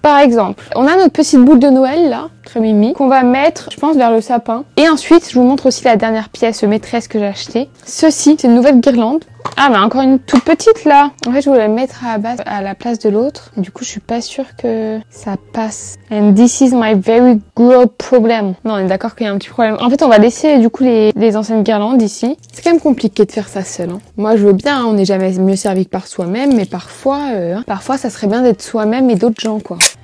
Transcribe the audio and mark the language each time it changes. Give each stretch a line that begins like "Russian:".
French: Par exemple, on a notre petite boule de Noël là, très mimi, qu'on va mettre, je pense, vers le sapin. Et ensuite, je vous montre aussi la dernière pièce maîtresse que j'ai achetée. Ceci, c'est une nouvelle guirlande. Ah mais encore une toute petite là. En fait je voulais la mettre à la base à la place de l'autre. Du coup je suis pas sûre que ça passe.
English: And this is my very good problem.
French: Non on est d'accord qu'il y a un petit problème. En fait on va laisser du coup les anciennes guirlandes ici. C'est quand même compliqué de faire ça seul. Hein. Moi je veux bien, hein, on n'est jamais mieux servi que par soi-même, mais parfois parfois ça serait bien d'être soi-même et d'autres gens quoi.